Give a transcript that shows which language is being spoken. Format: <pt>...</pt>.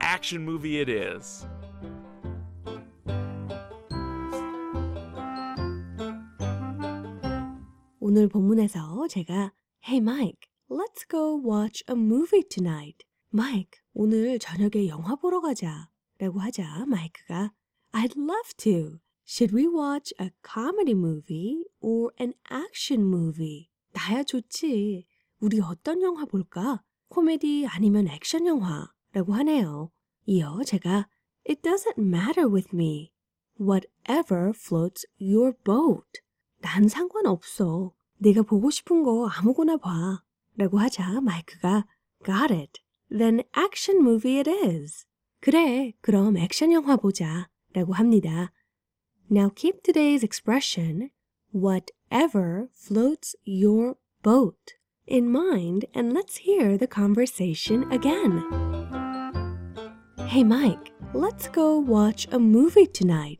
<en>Before we find out what today's expression means, let's listen to a conversation I had with Mike. Listen carefully. Hey Mike, let's go watch a movie tonight. I'd love to. Should we watch a comedy movie or an action movie? It doesn't matter with me. Whatever floats your boat. Got it. Then an action movie it is. Hey Mike, let's go watch a movie tonight. Mike,</en> <ko>오늘 저녁에 영화 보러 가자 라고 하자 마이크가</ko> <en>I'd love to. Should we watch a comedy movie or an action movie?</en> <ko>나야 좋지. 우리 어떤 영화 볼까? 코미디 아니면 액션 영화 라고 하네요. 이어 제가</ko> <en>It doesn't matter with me. Whatever floats your boat.</en> <ko>난 상관없어. 네가 보고 싶은 거 아무거나 봐. 라고 하자 마이크가</ko> <en>Got it. Then action movie it is.</en> <ko>그래, 그럼 액션 영화 보자. 라고 합니다.</ko> <en>Now keep today's expression whatever floats your boat in mind and let's hear the conversation again. Hey Mike, let's go watch a movie tonight.</en>